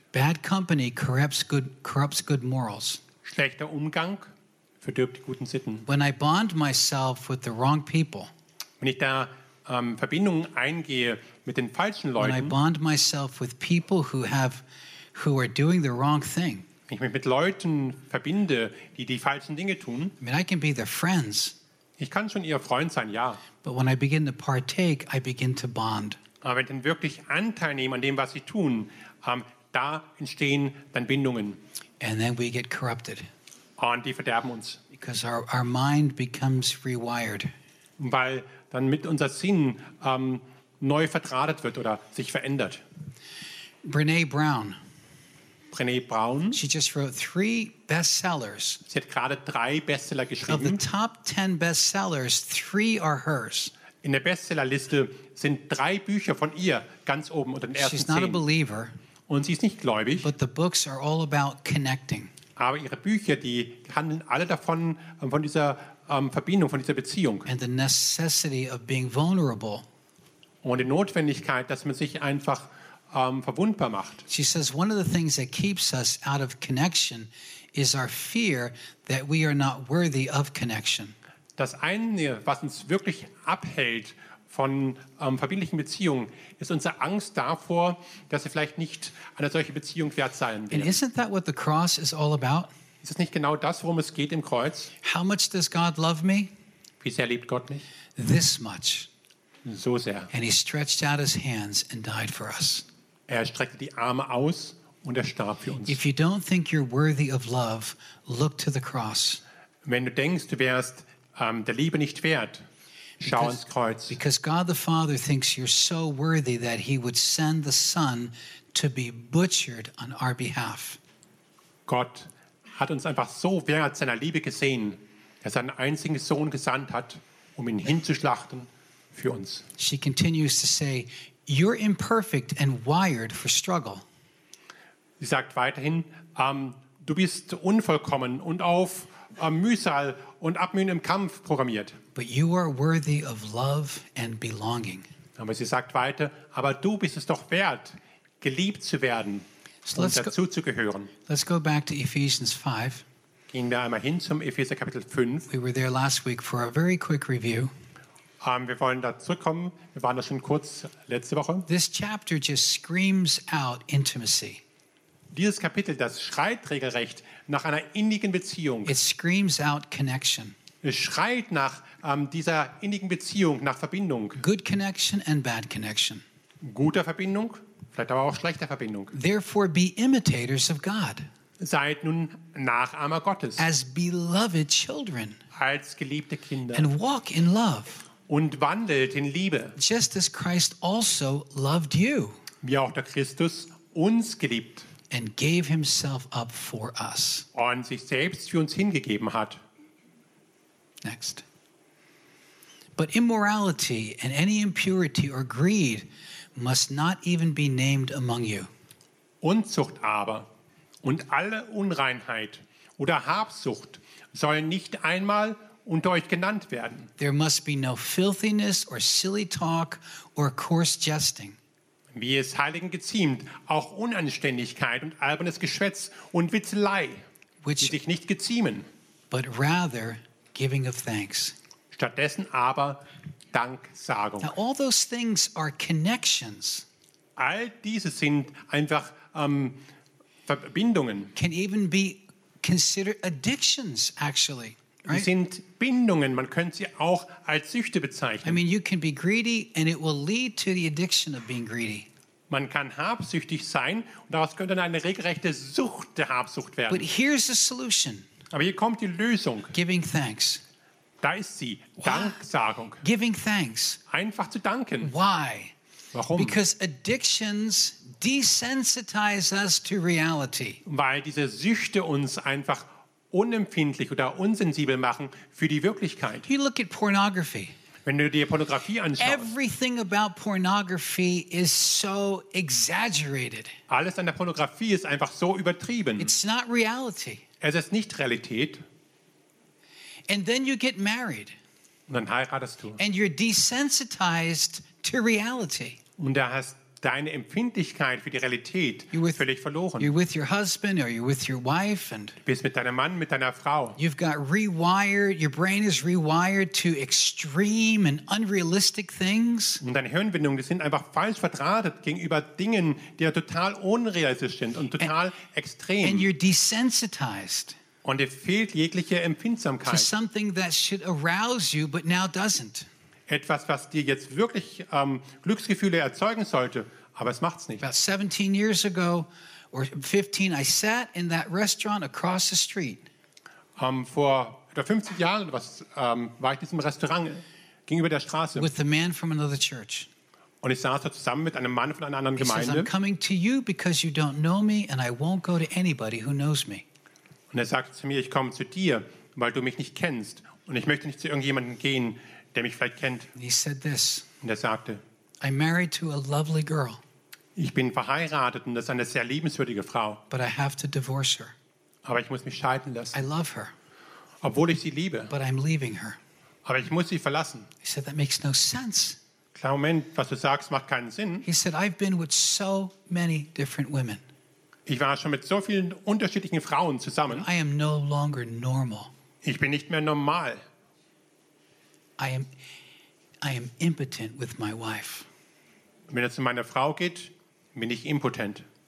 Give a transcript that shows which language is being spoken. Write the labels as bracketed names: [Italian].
[English] Bad company corrupts good morals. [German] Schlechter Umgang verdirbt die guten Sitten. [English] When I bond myself with the wrong people. [German] Wenn ich da Verbindungen eingehe mit den falschen Leuten. [English] When I bond myself with people who are doing the wrong thing. [German] Wenn ich mich mit Leuten verbinde, die falschen Dinge tun. [English] I mean, I can be their friends. [German] Ich kann schon ihr Freund sein, ja. [English] But when I begin to partake, I begin to bond. [German] Aber wenn ich wirklich Anteil nehme an dem, was sie tun, da entstehen dann Bindungen. [English] And then we get corrupted. [German] Und die verderben uns. [English] Because our mind becomes rewired. [German] Weil dann mit unser Sinn neu verdrahtet wird oder sich verändert. [English] Brené Brown. She just wrote 3 bestsellers. [German] Sie hat gerade 3 Bestseller geschrieben. [English] Of the top 10 bestsellers, 3 are hers. [German] In der Bestsellerliste sind 3 Bücher von ihr ganz oben unter den ersten 10. [English] She's not a believer. [German] Und sie ist nicht gläubig. [English] But the books are all about connecting. [German] Aber ihre Bücher, die handeln alle davon, von dieser Verbindung, von dieser Beziehung. [English] And the necessity of being vulnerable. [German] Und die Notwendigkeit, dass man sich einfach verwundbar macht. [English] She says one of the things that keeps us out of connection is our fear that we are not worthy of connection. [German] Das eine, was uns wirklich abhält von verbindlichen Beziehungen, ist unsere Angst davor, dass wir vielleicht nicht eine solche Beziehung wert sein werden. [English] And isn't that what the cross is all about? [German] Ist es nicht genau das, worum es geht im Kreuz? [English] How much does God love me? [German] Wie sehr liebt Gott mich? [English] This much. [German] So sehr. [English] And he stretched out his hands and died for us. [German] Er streckte die Arme aus und er starb für uns. [English] If you don't think you're worthy of love, look to the cross. [German] Wenn du denkst, du wärst der Liebe nicht wert, schau ans Kreuz. [English] Because God the Father thinks you're so worthy that he would send the Son to be butchered on our behalf. [German] Gott hat uns einfach so wert seiner Liebe gesehen, dass er seinen einzigen Sohn gesandt hat, ihn hinzuschlachten. Für uns. [English] She continues to say, "You're imperfect and wired for struggle." [German] Sie sagt weiterhin, du bist unvollkommen und auf Mühsal und Abmühen im Kampf programmiert. [English] But you are worthy of love and belonging. [German] Aber sie sagt weiter, aber du bist es doch wert, geliebt zu werden und dazu zu gehören. [English] Let's go back to Ephesians 5. [German] Gehen wir einmal hin zum Epheser Kapitel 5. [English] We were there last week for a very quick review. [German] Wir wollen da zurückkommen. Wir waren da schon kurz letzte Woche. [English] This chapter just screams out intimacy. [German] Dieses Kapitel, das schreit regelrecht nach einer innigen Beziehung. [English] It screams out connection. [German] Es schreit nach dieser innigen Beziehung, nach Verbindung. [English] Good connection and bad connection. [German] guter Verbindung, vielleicht aber auch schlechter Verbindung. [English] Therefore be imitators of God. [German] Seid nun Nachahmer Gottes. [English] As beloved children. [German] Als geliebte Kinder. [English] And walk in love. [German] Und wandelt in Liebe. [English] Just as Christ also loved you. [German] Wie auch der Christus uns geliebt. [English] And gave himself up for us. [German] Und sich selbst für uns hingegeben hat. [English] Next. But immorality and any impurity or greed must not even be named among you. [German] Unzucht aber und alle Unreinheit oder Habsucht sollen nicht einmal unter euch genannt werden. [English] There must be no filthiness or silly talk or coarse jesting. [German] Wie es Heiligen geziemt, auch Unanständigkeit und albernes Geschwätz und Witzelei, [English] which, [German] die sich nicht geziemen. [English] But rather giving of thanks. [German] Stattdessen aber Danksagung. [English] Now, all those things are connections. [German] All diese sind einfach Verbindungen. [English] Can even be considered addictions, actually. Right? [German] Sind Bindungen. Man könnte sie auch als Süchte bezeichnen. [English] I mean, you can be greedy, and it will lead to the addiction of being greedy. [German] Man kann habsüchtig sein, und daraus könnte eine regelrechte Sucht der Habsucht werden. [English] But here's the solution. [German] Aber hier kommt die Lösung. [English] Giving thanks. [German] Da ist sie. Danksagung. [English] Giving thanks. [German] Einfach zu danken. [English] Why? [German] Warum? [English] Because addictions desensitize us to reality. [German] Weil diese Süchte uns einfach unempfindlich oder unsensibel machen für die Wirklichkeit. [English] You look at pornography. [German] Wenn du dir Pornografie anschaust. [English] Everything about pornography is so exaggerated. [German] Alles an der Pornografie ist einfach so übertrieben. [English] It's not reality. [German] Es ist nicht Realität. [English] And then you get married. [German] Und dann heiratest du. [English] And you're desensitized to reality. [German] Und da hast deine Empfindlichkeit für die Realität völlig verloren. [English] You're with your husband or you're with your wife and [German] du bist mit deinem Mann, mit deiner Frau. [English] You've got rewired, your brain is rewired to extreme and unrealistic things. [German] Und deine Hirnwindungen, die sind einfach falsch verdrahtet gegenüber Dingen, die ja total unrealistisch sind und total extrem. [English] And you're desensitized. [German] Und es fehlt jegliche Empfindsamkeit. [English] To something that should arouse you, but now doesn't. [German] Etwas, was dir jetzt wirklich Glücksgefühle erzeugen sollte, aber es macht's nicht. [English] About 17 years ago, or 15, I sat in that restaurant across the street. [German] Vor etwa 50 Jahren war ich in diesem Restaurant gegenüber der Straße. [English] With a man from another church. [German] Und ich saß da zusammen mit einem Mann von einer anderen [English] He [German] Gemeinde. [English] Says, I'm coming to you because you don't know me, and I won't go to anybody who knows me. [German] Und er sagte zu mir, ich komme zu dir, weil du mich nicht kennst. Und ich möchte nicht zu irgendjemandem gehen, der mich vielleicht kennt. [English] He said this, [German] und er sagte, [English] I'm married to a lovely girl, [German] ich bin verheiratet und das ist eine sehr liebenswürdige Frau. [English] But I have to divorce her. [German] Aber ich muss mich scheiden lassen. [English] I love her, [German] obwohl ich sie liebe. [English] But I'm leaving her. [German] Aber ich muss sie verlassen. [English] He said, that makes no sense. [German] Klar, Moment, was du sagst, macht keinen Sinn. [English] He said, I've been with so many different women. [German] Ich war schon mit so vielen unterschiedlichen Frauen zusammen. [English] I am no longer normal. [German] Ich bin nicht mehr normal. [English] I am impotent with my wife. [German] Wenn es um meine Frau geht, bin ich impotent.